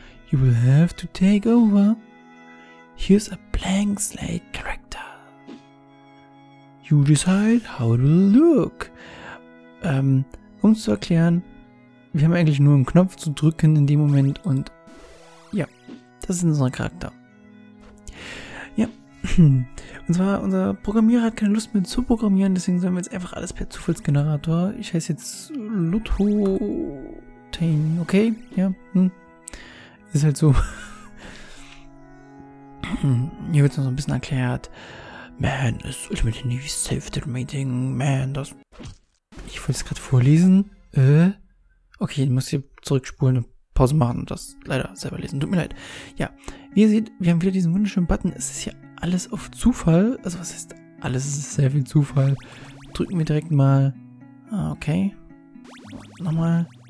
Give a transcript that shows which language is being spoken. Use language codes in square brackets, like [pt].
[en] You will have to take over. Here's a blank slate character. You decide how it will look. [de] Um es zu erklären, wir haben eigentlich nur einen Knopf zu drücken in dem Moment und ja, das ist unser Charakter. Ja, und zwar unser Programmierer hat keine Lust mehr zu programmieren, deswegen sollen wir jetzt einfach alles per Zufallsgenerator. Ich heiße jetzt Lutotain, okay, ja, ist halt so. Hier wird es noch ein bisschen erklärt. [en] Man is ultimately self-determining, man, das... [de] Ich wollte es gerade vorlesen. Okay, ich muss hier zurückspulen und Pause machen und das leider selber lesen. Tut mir leid. Ja, wie ihr seht, wir haben wieder diesen wunderschönen Button. Es ist ja alles auf Zufall. Also was heißt alles? Es ist sehr viel Zufall. Drücken wir direkt mal. Okay. Nochmal.